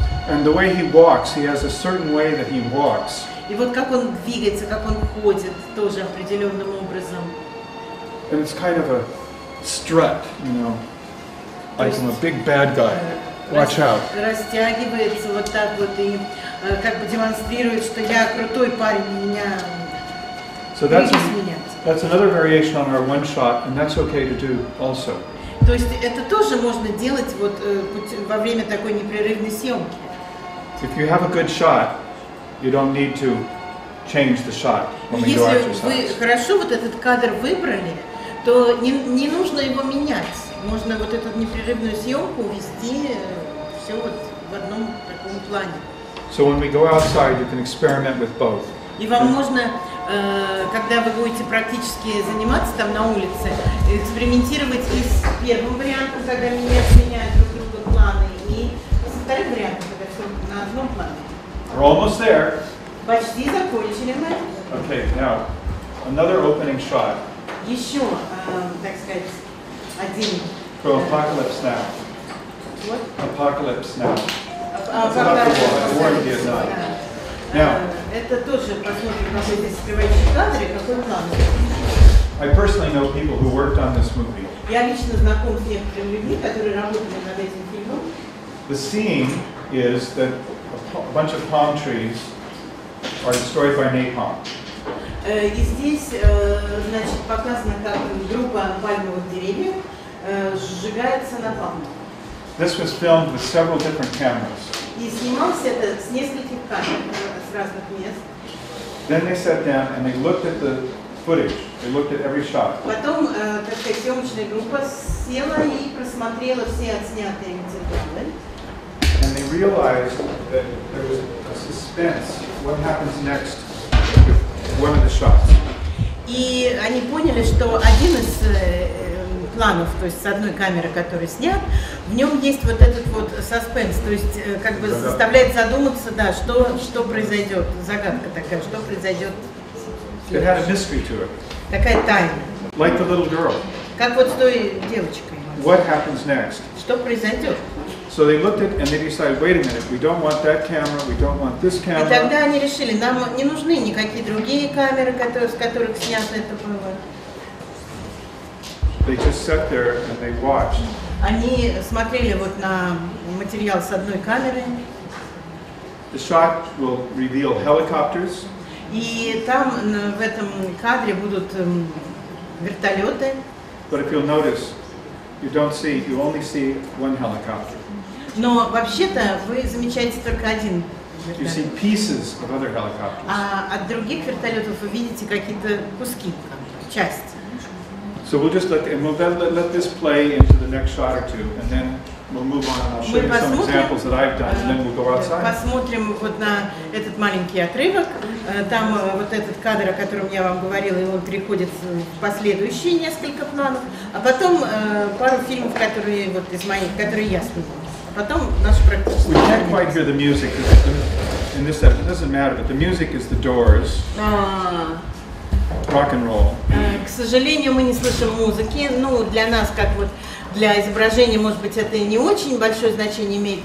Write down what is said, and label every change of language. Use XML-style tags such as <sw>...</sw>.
<en>And the way he walks, he has a certain way that he walks.</en> <ru>И вот как он двигается, как он ходит, тоже определенным образом.</ru> <en>And it's kind of a strut, you know, like I'm a big bad guy. Watch out.</en> <ru>Растягивается вот так вот и как бы демонстрирует, что я крутой парень, меня.</ru> <en>So that's another variation on our one shot, and that's okay to do also.</en> <ru>То есть это тоже можно делать вот во время такой непрерывной съемки.</ru> <en>If you have a good shot. You don't need to change the shot when we do exercise.</en> <ru>Если вы хорошо вот этот кадр выбрали, то не нужно его менять. Можно вот эту непрерывную съемку вести все вот в одном таком плане.</ru> <en>So when we go outside, you can experiment with both.</en> <ru>И вам можно, когда вы будете практически заниматься там на улице, экспериментировать и с первым вариантом, когда меняют друг друга планы, и со вторым вариантом, когда все на одном плане.</ru> <en>We're almost there.</en> <ru>Почти закончили мы.</ru> <en>Okay, now another opening shot.</en> <ru>Еще, так сказать, один.</ru> <en>For Apocalypse Now. What? Apocalypse Now. War in Vietnam. Now.</en> <ru>Это тоже посмотрим на эти скрывающие кадры, какой план.</ru> <en>I personally know people who worked on this movie.</en> <ru>Я лично знаком с некоторыми людьми, которые работали над этим фильмом.</ru> <en>The scene is that. A bunch of palm trees are destroyed by napalm.</en> <ru>И здесь, значит, показано, как группа пальмовых деревьев сжигается напалмом.</ru> <en>This was filmed with several different cameras.</en> <ru>И снималось это с нескольких камер с разных мест.</ru> <en>Then they sat down and they looked at the footage. They looked at every shot.</en> <ru>Потом, так сказать, съемочная группа села и просмотрела все отснятые материалы.</ru> <en>And they realized that there was a suspense. What happens next with one of the shots?</en> <ru>И они поняли, что один из планов, то есть с одной камеры, который снят, в нем есть вот этот вот suspense, то есть как бы заставляет задуматься, да, что произойдет, загадка такая, что произойдет.</ru> <en>It had a mystery to it.</en> <ru>Такая тайна.</ru> <en>Like the little girl.</en> <ru>Как вот с той девочкой.</ru> <en>What happens next?</en> <ru>Что произойдет?</ru> <en>So they looked at and they decided, wait a minute, we don't want that camera, we don't want this camera.</en> <ru>И тогда они решили, нам не нужны никакие другие камеры, с которых снято это было.</ru> <en>They just sat there and they watched.</en> <ru>Они смотрели вот на материал с одной камеры.</ru> <en>The shot will reveal helicopters.</en> <ru>И там в этом кадре будут вертолеты.</ru> <en>But if you'll notice, you don't see, you only see one helicopter.</en> <ru>Но вообще-то вы замечаете только один вертолет.</ru> <en>You see pieces of other helicopters.</en> <ru>А от других вертолетов вы видите какие-то куски, части.</ru> <en>So we'll just let this play into the next shot or two, and then we'll move on. And I'll show you some examples that I've done, and then we'll go outside.</en> <ru>Посмотрим вот на этот маленький отрывок. Там вот этот кадр, о котором я вам говорила, и он переходит в последующие несколько планов. А потом пару фильмов, которые вот из моих, которые я снимала.</ru> <en>We can't quite hear the music in this episode. It doesn't matter, but the music is the Doors. Rock and roll.</en> <ru>К сожалению, мы не слышим музыки. Ну, для нас, как вот для изображения, может быть, это не очень большое значение имеет.</ru>